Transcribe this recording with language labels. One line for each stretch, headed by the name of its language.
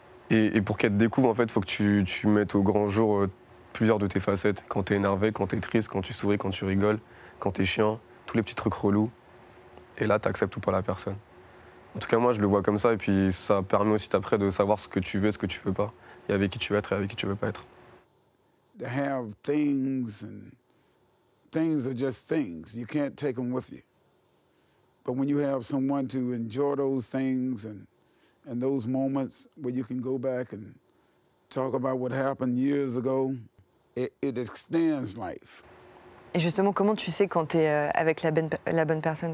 French: Et pour qu'elle te découvre, en fait, faut que tu mettes au grand jour plusieurs de tes facettes. Quand t'es énervé, quand t'es triste, quand tu souris, quand tu rigoles, quand t'es chiant, tous les petits trucs relous. Et là, t'acceptes ou pas la personne. En tout cas, moi, je le vois comme ça. Et puis, ça permet aussi après de savoir ce que tu veux, ce que tu veux pas. Et avec qui tu veux être et avec qui tu veux pas être.
English: To have things and things are just things. You can't take them with you. But when you have someone to enjoy those things and those moments where you can go back and talk about what happened years ago, it extends life.
French: Et justement, comment tu sais quand t'es avec la bonne personne?